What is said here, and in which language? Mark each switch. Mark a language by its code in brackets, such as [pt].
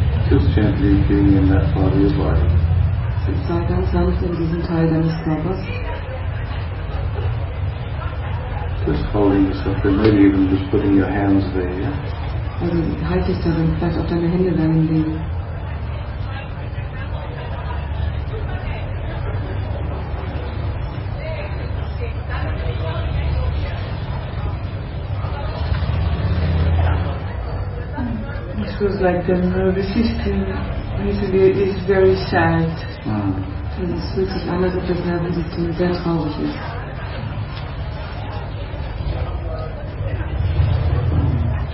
[en] Just gently being in that part of your body. [de] Ich sah ganz sanft in diesem Teil deines Körpers. [en] Just holding yourself there, maybe even just putting your hands there, yeah? [de] Also halt dich darin, vielleicht auch deine Hände darin legen. [en] This was like the nervous system usually is very sad. [de] Und es fühlt sich an, als ob das Nervensystem sehr traurig ist.